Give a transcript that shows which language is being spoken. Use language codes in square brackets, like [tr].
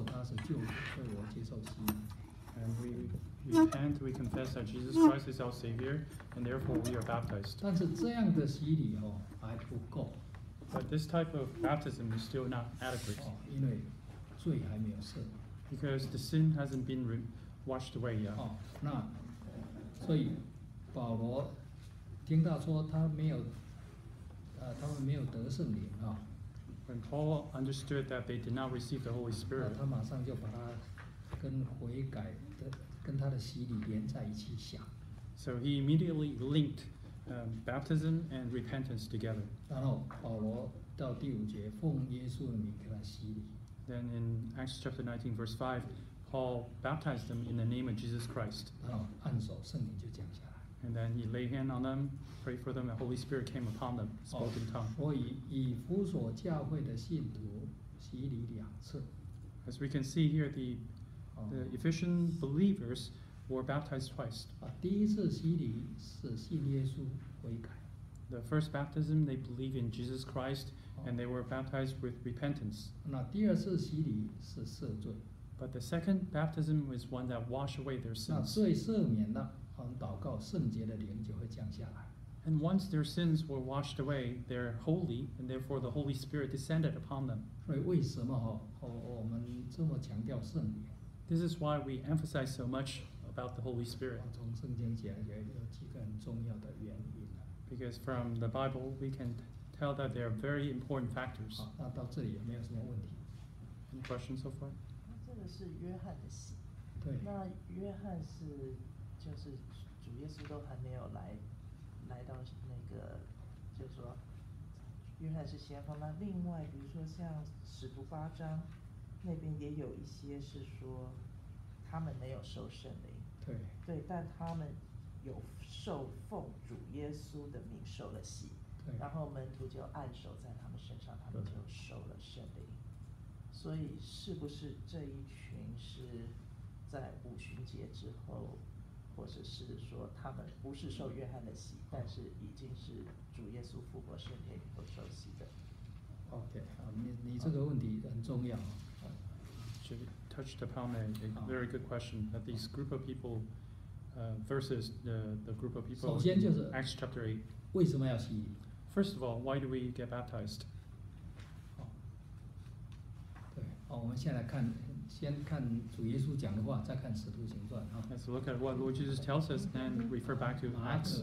[en] And we repent, we confess that Jesus Christ is our Savior, and therefore we are baptized. [zh] 但是这样的洗礼哦，还不够。 [en] But this type of baptism is still not adequate. [zh] 因为罪还没有赦。 [en] Because the sin hasn't been washed away yet. [zh] 那所以保罗听到说他没有。他们没有得圣灵啊。 [en] When Paul understood that they did not receive the Holy Spirit, [zh] 他马上就把他跟悔改的跟他的洗礼连在一起想。 [en] So he immediately linked baptism and repentance together. [zh] 然后保罗到第五节，奉耶稣的名给他洗礼。 [en] Then in Acts chapter 19, verse 5, Paul baptized them in the name of Jesus Christ. [zh] 然后按手，圣灵就降下来。 [en] And then he laid hand on them, prayed for them, and the Holy Spirit came upon them, spoke in tongues. [zh] 所以以弗所教会的信徒洗礼两次。 [en] As we can see here, the Ephesian believers were baptized twice. [zh] 第一次洗礼是信耶稣悔改。 [en] The first baptism, they believed in Jesus Christ, and they were baptized with repentance. [zh] 那第二次洗礼是赦罪。 [en] But the second baptism was one that washed away their sins. [zh] 那罪赦免了。祷告圣洁的灵就会降下来。 [en] And once their sins were washed away, they're holy, and therefore the Holy Spirit descended upon them. [zh] 所以为什么我们这么强调圣灵 [en] ？This is why we emphasize so much about the Holy Spirit. [zh] 从圣经讲也有几个很重要的原因。 [en] Because from the Bible, we can tell that there are very important factors. [zh] 那到这里有没有什么问题 [en] ？Any questions so far? [zh] 这个是约翰的洗。对。那约翰是。就是主耶稣都还没有来到那个，就是说，约翰是先锋。那另外，比如说像使徒八章那边也有一些是说，他们没有受圣灵，对，但他们有受奉主耶稣的名受了洗，对，然后门徒就按手在他们身上，他们就受了圣灵。所以是不是这一群是在五旬节之后？或者是说他们不是受约翰的洗，但是已经是主耶稣复活升天以后受洗的。 OK， 你这个问题很重要。 [en] She touched upon a very good question that this group of people versus the group of people. [zh] 首先就是 [en] Acts chapter 8。 [zh] 为什么要洗 [en] ？First of all, why do we get baptized？ [zh] 我们先来看。先看主耶稣讲的话，再看使徒行传啊。 [en] Let's look at what Lord Jesus tells us, and refer back to Acts.